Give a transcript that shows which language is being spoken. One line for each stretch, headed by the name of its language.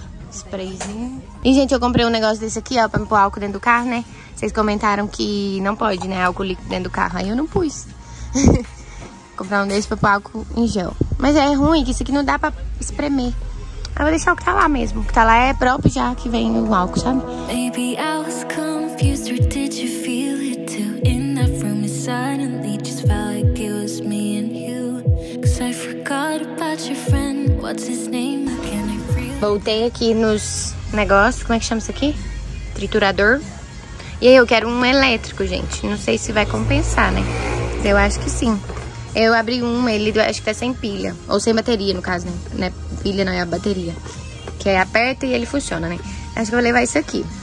Portuguese: Sprayzinho. E, gente, eu comprei um negócio desse aqui, ó, pra me pôr álcool dentro do carro, né? Vocês comentaram que não pode, né, álcool líquido dentro do carro. Aí eu não pus. Comprar um desse pra pôr álcool em gel. Mas é ruim, que isso aqui não dá pra espremer. Aí eu vou deixar o que tá lá mesmo. O que tá lá é próprio já, que vem o álcool, sabe?
English: Maybe I was confused, or did you feel it too? In that room, it suddenly just felt like it was me and you. Cause I forgot about your friend, what's his name?
Portuguese: Voltei aqui nos negócios, como é que chama isso aqui? Triturador. E aí, eu quero um elétrico, gente. Não sei se vai compensar, né? Eu acho que sim. Eu abri um, ele acho que tá sem pilha. Ou sem bateria, no caso, né? Pilha não é a bateria. Que aí aperta e ele funciona, né? Acho que eu vou levar isso aqui.